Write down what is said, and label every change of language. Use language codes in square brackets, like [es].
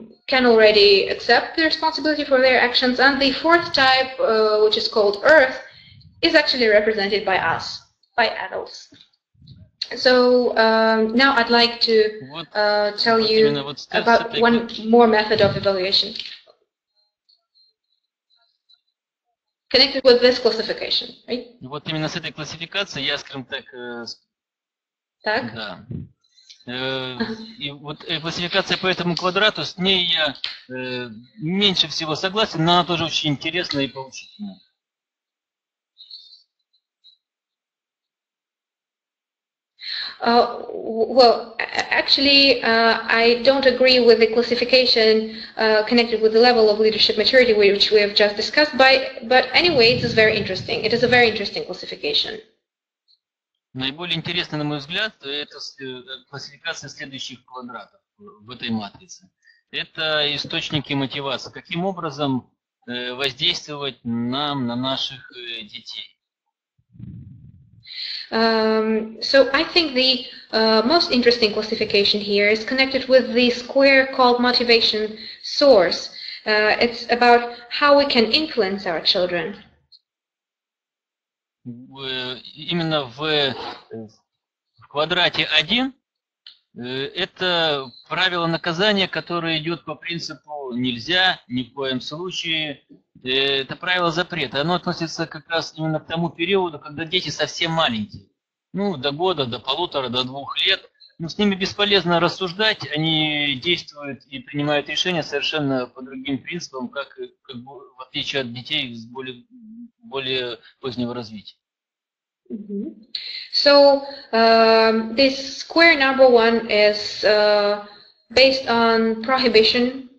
[en] can already accept the responsibility for their actions. And the fourth type, which is called Earth, is actually represented by us, by adults. So now I'd like to tell you about one more method of evaluation connected with this classification, right? [ru] Вот именно с этой классификацией я, скажем так, так? Да. И вот классификация по этому квадрату, с ней я меньше всего согласен, но она тоже очень интересная и поучительная. [en] Well, actually, I don't agree with the classification connected with the level of leadership maturity, which we have just discussed. But anyway, it is very interesting. It is a very interesting classification. [ru] Наиболее интересная, на мой взгляд, это классификация следующих квадратов в этой матрице. Это источники мотивации. Каким образом воздействовать нам на наших детей? [en] So I think the most interesting classification here is connected with the square called motivation source. It's about how we can influence our children. [ru] Именно в квадрате 1 это правило наказания, которое идет по принципу нельзя, ни в коем случае. Это правило запрета. Оно относится как раз именно к тому периоду, когда дети совсем маленькие. Ну, до года, до полутора, до двух лет. Но с ними бесполезно рассуждать. Они действуют и принимают решения совершенно по другим принципам, как бы, в отличие от детей с более позднего развития. [en] So, this square number one is based on prohibition.